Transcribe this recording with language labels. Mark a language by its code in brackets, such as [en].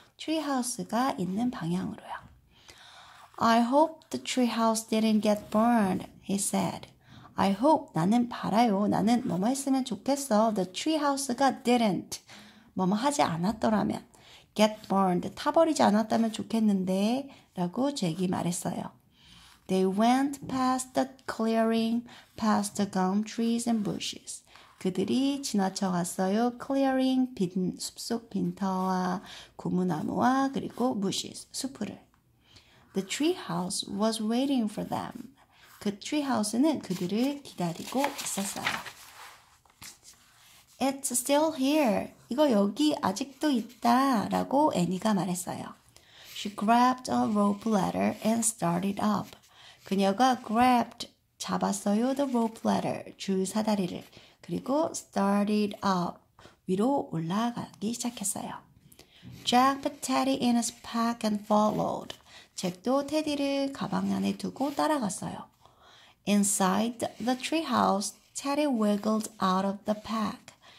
[ko] 트리하우스가 있는 방향으로요. [en] I hope the treehouse didn't get burned, he said. I hope, [ko] 나는 바라요. 나는 뭐뭐 했으면 좋겠어. The treehouse가 didn't, 뭐뭐 하지 않았더라면. [en] Get burned, [ko] 타버리지 않았다면 좋겠는데. 라고 잭이 말했어요. [en] They went past the clearing, past the gum trees and bushes. [ko] 그들이 지나쳐 갔어요. Clearing, 숲속 빈터와 고무나무와 그리고 bushes, 숲을. [en] The treehouse was waiting for them. [ko] 그 treehouse는 그들을 기다리고 있었어요. [en] It's still here. [ko] 이거 여기 아직도 있다. 라고 애니가 말했어요. [en] She grabbed a rope ladder and started up. [ko] 그녀가 grabbed, 잡았어요. [en] The rope ladder, [ko] 줄 사다리를. 그리고 started up, 위로 올라가기 시작했어요. [en] Jack put Teddy in his pack and followed. [ko] 잭도 테디를 가방 안에 두고 따라갔어요. [en] Inside the treehouse, Teddy wiggled out of the pack.